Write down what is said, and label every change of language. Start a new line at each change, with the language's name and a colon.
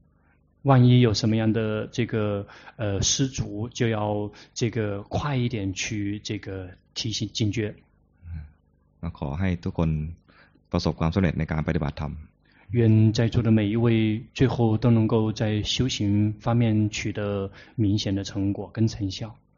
Chinese: ๆ万一有什么样的这个失足就要这个快一点去这个提醒警觉
Thai: ขอให้ทุกคนประสบความสำเร็จในการปฏิบัติธรรม
Chinese: 愿在座的每一位最后都能够在修行方面取得明显的成果跟成效。